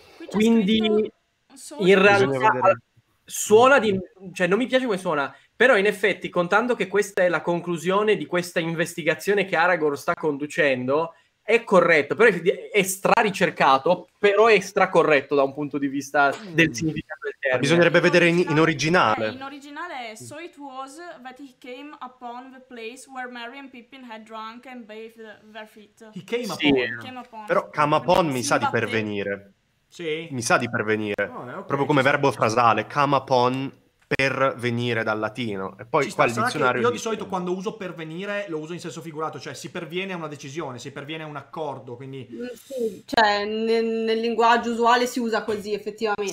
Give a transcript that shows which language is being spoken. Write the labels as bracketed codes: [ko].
[it] Quindi in realtà suona di... cioè, non mi piace come suona... Però in effetti, contando che questa è la conclusione di questa investigazione che Aragorn sta conducendo, è corretto, però è straricercato, però è stracorretto da un punto di vista del significato del termine. Bisognerebbe vedere in originale. In originale è [en] "So it was that he came upon the place where Merry and Pippin had drunk and bathed their feet." He came upon. He came upon. [it] Però "come upon" mi sa di pervenire. Sì. Mi sa di pervenire. Oh, okay. Proprio come verbo frasale, "come upon" per venire dal latino. E poi qua il dizionario. Io di solito quando uso per venire lo uso in senso figurato, cioè si perviene a una decisione, si perviene a un accordo. Quindi sì, cioè nel linguaggio usuale si usa così effettivamente.